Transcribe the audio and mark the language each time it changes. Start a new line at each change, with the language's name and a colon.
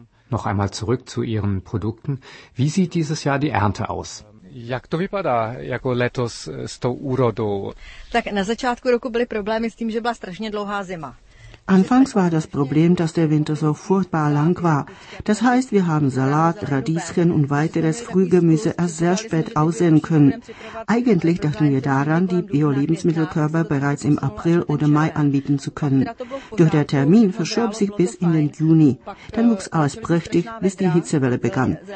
German: Noch einmal zurück zu Ihren Produkten. Wie sieht dieses Jahr die Ernte aus?
Czech: Jak to vypadá jako letos s tou úrodou? Tak na začátku roku byly problémy s tím, že byla strašně dlouhá zima.
German: Anfangs war das Problem, dass der Winter so furchtbar lang war. Das heißt, wir haben Salat, Radieschen und weiteres Frühgemüse erst sehr spät aussehen können. Eigentlich dachten wir daran, die Bio-Lebensmittelkörbe bereits im April oder Mai anbieten zu können. Doch der Termin verschob sich bis in den Juni. Dann wuchs alles prächtig, bis die Hitzewelle begann.